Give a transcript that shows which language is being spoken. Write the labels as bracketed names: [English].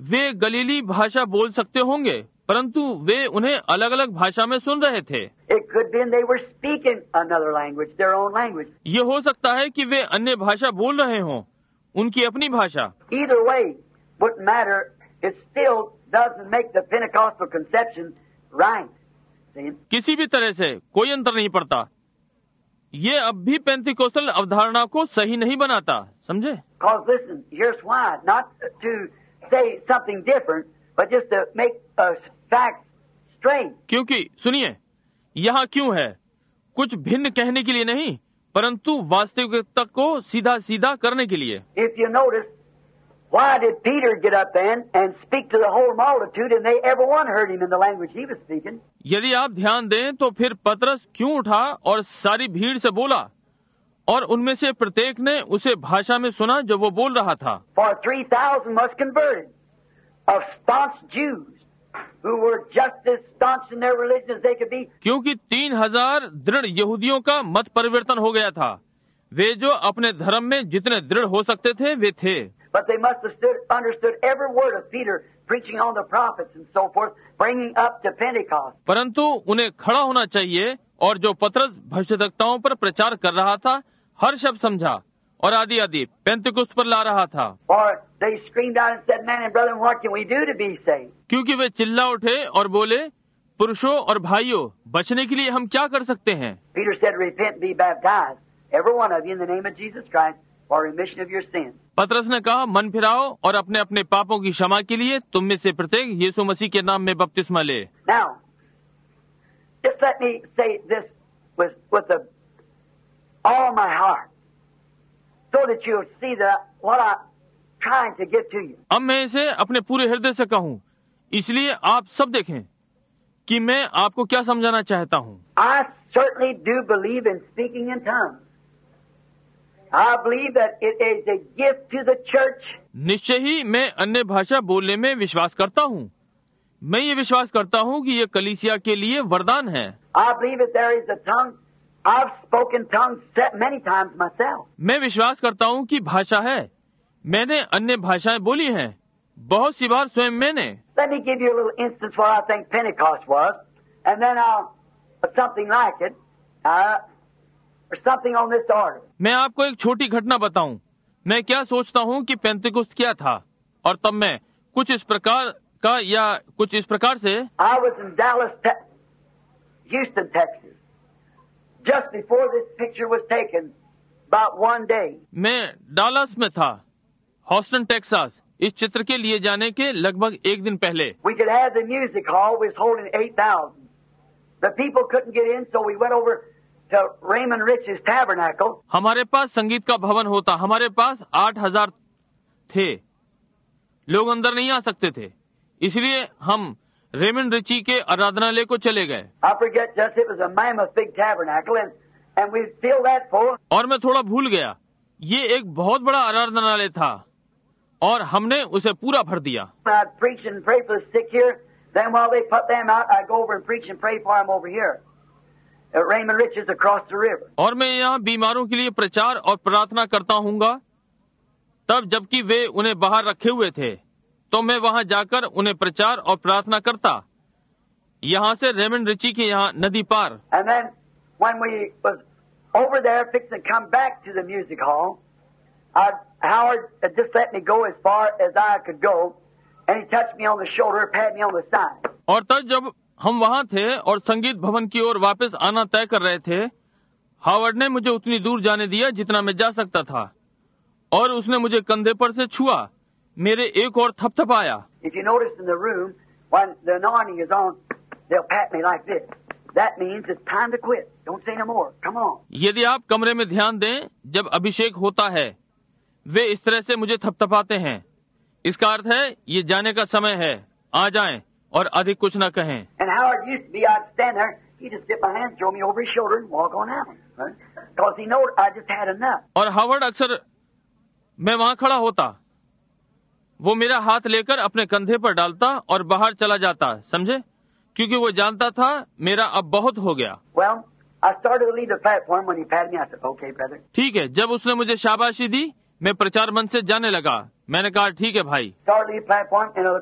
[Hindi] वे गलीली भाषा बोल सकते होंगे परंतु वे उन्हें अलग अलग भाषा में सुन रहे थे। [English] It could be they were speaking another language, their own language. [Hindi] ये हो सकता है कि वे अन्य भाषा बोल रहे हों उनकी अपनी भाषा। [English] Either way, what matter is still doesn't make the Pentecostal conception right. [Hindi] किसी भी तरह से कोई अंतर नहीं पड़ता ये अब भी पेंतिकोस्टल अवधारणा को सही नहीं बनाता समझे। [English] Because listen, here's why. Not to say something different, but just to make a fact straight. [Hindi] क्योंकि सुनिए यहाँ क्यों है कुछ भिन्न कहने के लिए नहीं परंतु वास्तविकता को सीधा सीधा करने के लिए। [English] If you notice, why did Peter get up then and speak to the whole multitude and they everyone heard him in the language he was speaking? [Hindi] यदि आप ध्यान दें तो फिर पतरस क्यों उठा और सारी भीड़ से बोला और उनमें से प्रत्येक ने उसे भाषा में सुना जो वो बोल रहा था। [English] For 3,000 must convert of staunch Jews who were just as staunch in their religion as they could be. [Hindi] क्योंकि 3,000 दृढ़ यहूदियों का मत परिवर्तन हो गया था वे जो अपने धर्म में जितने दृढ़ हो सकते थे वे थे। [English] But they must have understood every word of Peter preaching on the prophets and so forth, bringing up to Pentecost. [Hindi] परंतु उन्हें खड़ा होना चाहिए और जो पत्रस भविष्यद्वक्ताओं पर प्रचार कर रहा था हर शब्द समझा और आदि आदि पेंतिकोस्त पर ला रहा था। [English] Or they screamed out and said, "Men and brethren, what can we do to be saved?" [Hindi] क्योंकि वे चिल्ला उठे और बोले पुरुषों और भाइयों बचने के लिए हम क्या कर सकते हैं? [English] Peter said, "Repent, be baptized, every one of you, in the name of Jesus Christ, for remission of your sins." [Hindi] पत्रस ने कहा, मन फिराओ और अपने अपने पापों की क्षमा के लिए तुम में से प्रत्येक यीशु मसीह के नाम में बपतिस्मा ले। [English] Now, just let me say this with all my heart, so that you'll see that what I'm trying to get to you. [Hindi] अब मैं इसे अपने पूरे हृदय से कहूँ, इसलिए आप सब देखें कि मैं आपको क्या समझाना चाहता हूँ। [English] I certainly do believe in speaking in tongues. I believe that it is a gift to the church. [Hindi] निश्चय ही मैं अन्य भाषा बोलने में विश्वास करता हूँ। मैं ये विश्वास करता हूँ कि ये कलीसिया के लिए वरदान है। [English] I believe that there is a tongue. I've spoken tongues many times myself. [Hindi] मैं विश्वास करता हूँ कि भाषा है। मैंने अन्य भाषाएं बोली हैं, बहुत सी बार स्वयं मैंने। [English] Let me give you a little instance what I think Pentecost was, and then I'll something like it. Or something on this order. [Hindi] मैं आपको एक छोटी घटना बताऊं। मैं क्या सोचता हूं कि पेंतेकुस्त क्या था, और तब मैं कुछ इस प्रकार का या कुछ इस प्रकार से। [English] I was in Dallas, Houston, Texas, just before this picture was taken, about one day. [Hindi] मैं डालास में था, हॉस्टन टेक्सास, इस चित्र के लिए जाने के लगभग एक दिन पहले। [English] We could have the music hall was holding 8,000. The people couldn't get in, so we went over. Raymond Rich's tabernacle. [Hindi] हमारे पास संगीत का भवन होता, हमारे पास 8,000 थे, लोग अंदर नहीं आ सकते थे, इसलिए हम रेमंड रिची के आराधनालय को चले गए। [English] I forget just it was a mammoth big tabernacle and we feel that for. [Hindi] और मैं थोड़ा भूल गया, ये एक बहुत बड़ा आराधनालय था और हमने उसे पूरा भर दिया। [English] I'd preach and pray for the sick here, then while they put them out, I'd go over and preach and pray for them over here. Raymond Rich is across the river. [Hindi] और मैं यहाँ बीमारों के लिए प्रचार और प्रार्थना करता हूँगा, तब जबकि वे उन्हें बाहर रखे हुए थे, तो मैं वहाँ जाकर उन्हें प्रचार और प्रार्थना करता, यहाँ से रेमंड रिची के यहाँ नदी पार। [English] And then when we was over there fixing to come back to the music hall, Howard just let me go as far as I could go, and he touched me on the shoulder, pat me on the side. [Hindi] और तब जब हम वहाँ थे और संगीत भवन की ओर वापस आना तय कर रहे थे, हावर्ड ने मुझे उतनी दूर जाने दिया जितना मैं जा सकता था, और उसने मुझे कंधे पर से छुआ, मेरे एक और थपथपाया। [English] If you notice in the room, when the anointing is on, they'll pat me like this. That means it's time to quit. Don't say no more. Come on. [Hindi] यदि आप कमरे में ध्यान दें, जब अभिषेक होता है, वे इस तरह से मुझे थपथपाते हैं, इसका अर्थ है ये जाने का समय है, आ जाएं और अधिक कुछ न कहें। [English] And Howard used to be, I'd stand there, he'd just dip my hands, throw me over his shoulder and walk on out. Because he knew I just had enough. [Hindi] और हावर्ड अक्सर मैं वहाँ खड़ा होता, वो मेरा हाथ लेकर अपने कंधे पर डालता और बाहर चला जाता, समझे? क्योंकि वो जानता था मेरा अब बहुत हो गया। [English] Well, I started to leave the platform when he patted me. I said, okay, brother. [Hindi] ठीक है, जब उसने मुझे शाबाशी दी, मैं प्रचार मंच से जाने लगा। मैंने कहा ठीक है भाई।